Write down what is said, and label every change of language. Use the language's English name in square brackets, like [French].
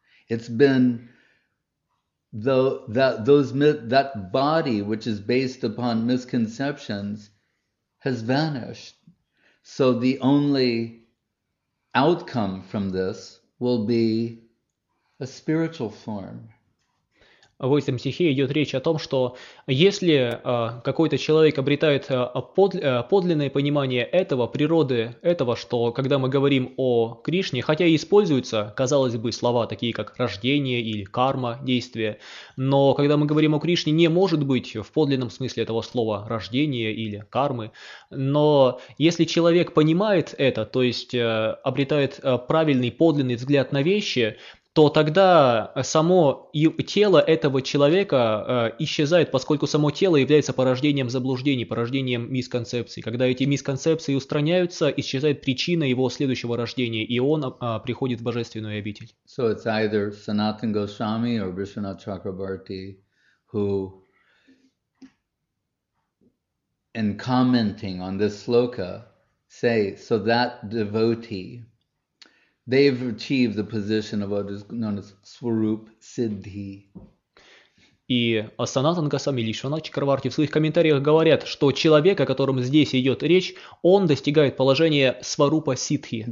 [English] It's been that body which is based upon misconceptions has vanished. So the only outcome from this will be a spiritual form. [Russian] В этом стихе идет речь о том, что если какой-то человек обретает подлинное понимание этого, природы этого, что когда мы говорим о Кришне, хотя и используются, казалось бы, слова такие как рождение или карма, действие, но когда мы говорим о Кришне, не может быть в подлинном смысле этого слова рождение или кармы, но если человек понимает это, то есть обретает правильный, подлинный взгляд на вещи, то тогда само тело этого человека исчезает, поскольку само тело является порождением заблуждений, порождением мисконцепций. Когда эти мисконцепции устраняются, исчезает причина его следующего рождения, и он приходит в божественную обитель. [English] So it's either Sanatan Goswami or Vishwanath Chakrabarti who, in commenting on this sloka, say, so that devotee, they've achieved the position of what is known as Swarup Siddhi. [Russian] И Санатан Госвами или Вишванат Чакраварти в своих комментариях говорят, что человек, о котором здесь идет речь, он достигает положения Сварупа Сиддхи.